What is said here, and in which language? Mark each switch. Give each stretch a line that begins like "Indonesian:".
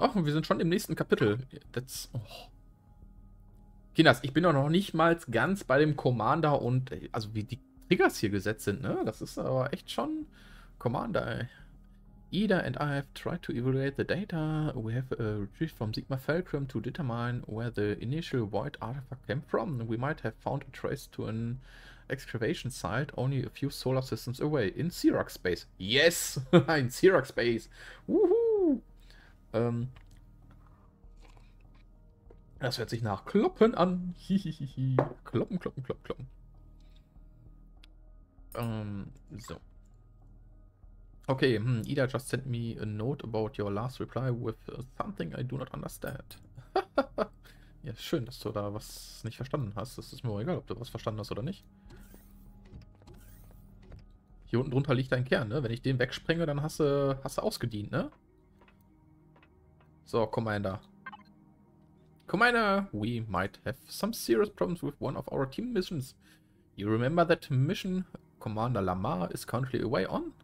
German: Ach, und wir sind schon im nächsten Kapitel.
English: That's, oh.
German: Kinders, ich bin doch noch nicht mal ganz bei dem Commander und... Also, wie die Triggers hier gesetzt sind, ne? Das ist aber echt schon... Commander, ey.
English: Ida and I have tried to evaluate the data we have retrieved from Sigma Falcrum to determine where the initial void artifact came from. We might have found a trace to an excavation site only a few solar systems away in Xerox Space. Yes! In Xerox Space! Woohoo!
German: Das hört sich nach Kloppen an. Kloppen, kloppen, kloppen, kloppen. So.
English: Okay, Ida just sent me a note about your last reply with something I do not understand.
German: Ja, schön, dass du da was nicht verstanden hast. Das ist mir auch egal, ob du was verstanden hast oder nicht. Hier unten drunter liegt dein Kern, ne? Wenn ich den wegspringe, dann hast du ausgedient, ne?
English: So, Commander. Commander, we might have some serious problems with one of our team missions. You remember that mission... Commander Lamar is currently away on?